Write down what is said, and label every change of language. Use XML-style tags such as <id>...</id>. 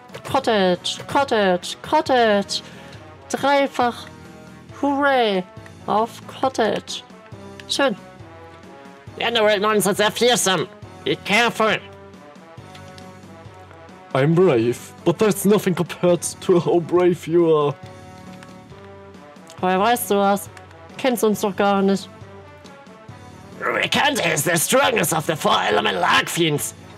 <de>Cottage, Cottage, Cottage. Dreifach. Hooray. Auf Cottage. Schön.</de> <en>The underworld monsters are fearsome. Be careful. I'm brave, but that's nothing compared to how brave you are.</en> <de>Woher weißt du was? Kennst uns doch gar nicht.</de> <en>Alicante is the strongest of the four elemental archfiends.</en>